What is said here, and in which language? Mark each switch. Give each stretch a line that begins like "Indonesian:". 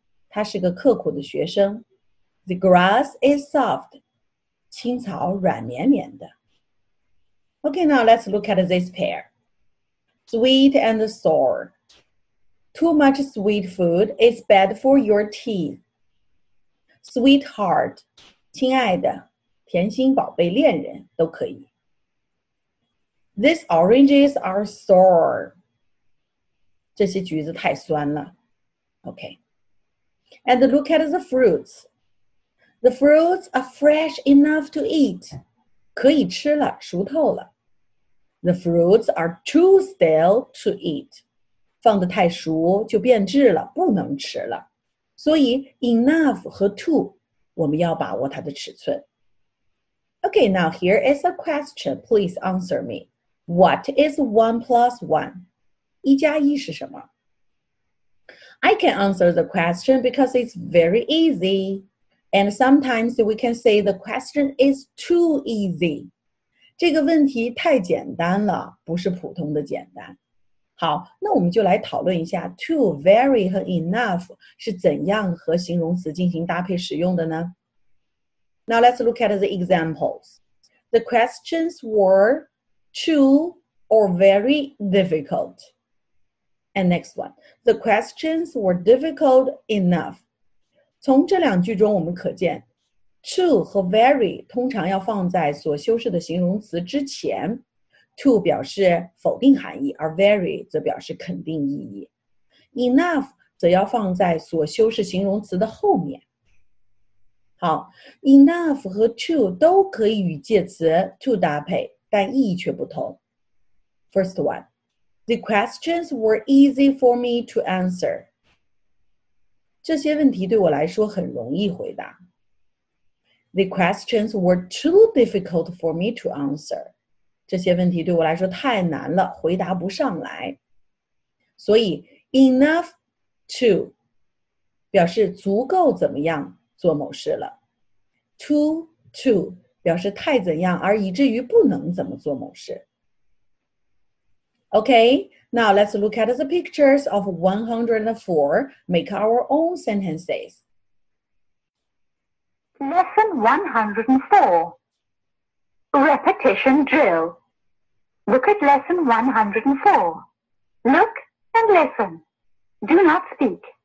Chinese: 她是个刻苦的学生。
English: The grass is soft.
Chinese: 青草软绵绵的。
English: Okay, now let's look at this pair. Sweet and sour. Too much sweet food is bad for your teeth.
Chinese: Sweetheart, 亲爱的，甜心宝贝，恋人都可以。
English: These oranges are sour.
Chinese: 这些橘子太酸了。
English: Okay. And look at the fruits. The fruits are fresh enough to eat.
Chinese: 可以吃了，熟透了。
English: The fruits are too stale to eat.
Chinese: 放得太熟就变质了，不能吃了。所以 enough 和 too 我们要把握它的尺寸。
English: Okay, now here is a question. Please answer me. What is 1+1?
Chinese: 一加一是什么？
English: I can answer the question because it's very easy. And sometimes we can say the question is too easy.
Chinese: 这个问题太简单了，不是普通的简单。好，那我们就来讨论一下 too, very 和 enough 是怎样和形容词进行搭配使用的呢？
English: Now let's look at the examples. The questions were too or very difficult. And next one. The questions were difficult enough.
Chinese: 从这两句中我们可见Too 和 very 通常要放在所修饰的形容词之前。 Too 表示否定含义，而 very 则表示肯定意义。 Enough 则要放在所修饰形容词的后面。好， enough 和 too 都可以与介词 to 搭配，但意义却不同。
English: First one, the questions were easy for me to answer.
Chinese: 这些问题对我来说很容易回答。
English: The questions were too difficult for me to answer.
Chinese: 这些问题对我来说太难了，回答不上来。所以 enough to 表示足够怎么样做某事了。 Too to 表示太怎样而以至于不能怎么做某事。
English: Okay, now let's look at the pictures of 104. Make our own sentences. Lesson 104. Repetition drill. Look at lesson 104. Look and listen. Do not speak.